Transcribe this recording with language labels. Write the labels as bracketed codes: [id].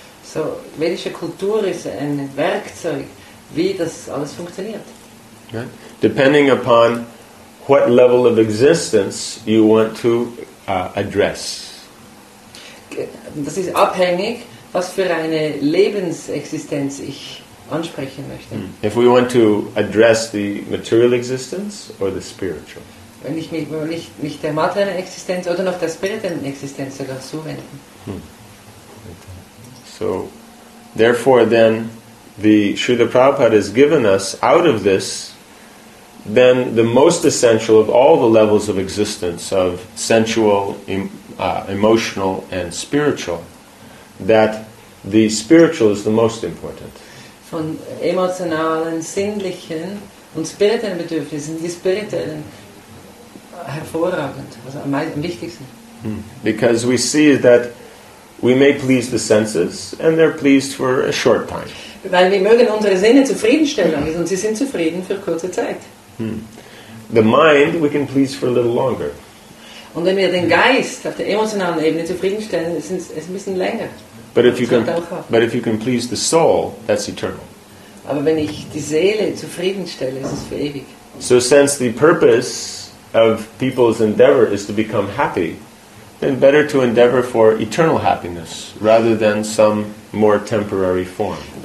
[de] So vedische Kultur ist ein Werkzeug, wie das alles funktioniert. [en] Right. Depending upon what level of existence you want to address. [de] Das ist abhängig, was für eine Lebensexistenz ich ansprechen möchte. Mm. [en] If we want to address the material existence or the spiritual. [de] Wenn ich mich der materiellen Existenz oder noch der spirituellen Existenz sogar zuwenden. [en] So, therefore then, the Srila Prabhupada has given us out of this then the most essential of all the levels of existence of sensual, emotional and spiritual, that the spiritual is the most important. [de] Von emotionalen, sinnlichen und spirituellen Bedürfnissen, die spirituellen hervorragend, also am wichtigsten. [en] Because we see that we may please the senses and they're pleased for a short time. [de] Weil wir mögen unsere Sinne zufriedenstellen und sie sind zufrieden für kurze Zeit. [en] The mind we can please for a little longer. [de] Und wenn wir den Geist auf der emotionalen Ebene zufriedenstellen, ist es ein bisschen länger. [en] But if you can please the soul, that's eternal. [de] Aber wenn ich die Seele zufriedenstelle, ist es für ewig. [en] So since the purpose of people's endeavor is to become happy, then better to endeavor for eternal happiness rather than some more temporary form.